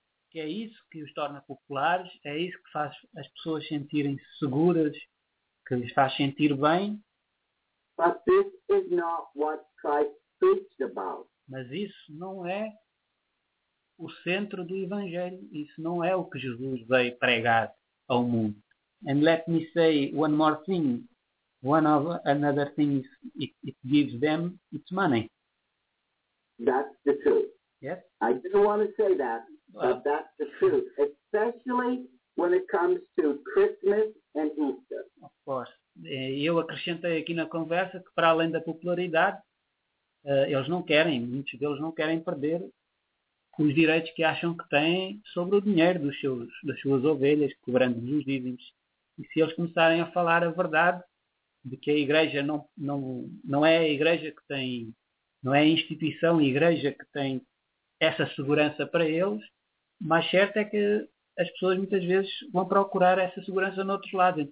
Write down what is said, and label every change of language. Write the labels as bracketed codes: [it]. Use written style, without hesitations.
[pt] Que é isso que os torna populares, é isso que faz as pessoas sentirem-se seguras, que lhes faz sentir bem. [en] But this is not what Christ preached about. [pt] Mas isso não é o centro do Evangelho, isso não é o que Jesus veio pregar ao mundo. [en] And let me say one more thing. One of another thing is it gives them its money. That's the truth. Yes? I didn't want to say that, but that's the truth. Especially when it comes to Christmas and Easter. Of course. [pt] Eu acrescentei aqui na conversa que, para além da popularidade, eles não querem, muitos deles não querem perder os direitos que acham que têm sobre o dinheiro das suas ovelhas, cobrando-lhes os dízimos. E se eles começarem a falar a verdade de que a igreja não é a igreja que tem, não é a instituição a igreja que tem essa segurança para eles, mais certo é que as pessoas muitas vezes vão procurar essa segurança noutros lados.